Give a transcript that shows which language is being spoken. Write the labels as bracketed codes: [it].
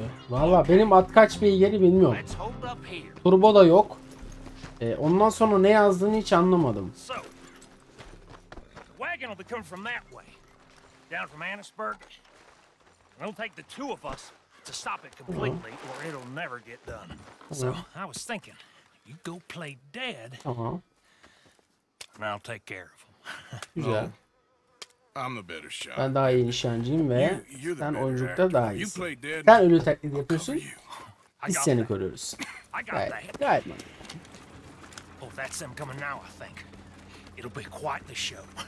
[tr] Valla benim at kaç beygiri bilmiyorum. Turbo da yok. Ondan sonra ne yazdığını hiç anlamadım. [en] Wagon will come from that way, down from Annisburg. It'll take the two of us to stop it completely, or it'll never get done. So I was thinking, you go play dead, and I'll take care of him. I'm the better shot. [tr] Ben daha iyi nişancıyım ve sen oyunculukta daha iyisin. Sen ölü taklidi yapıyorsun, biz seni koruyoruz. Gayet mi? [en] Oh, that's them coming now. I think it'll be quite the show.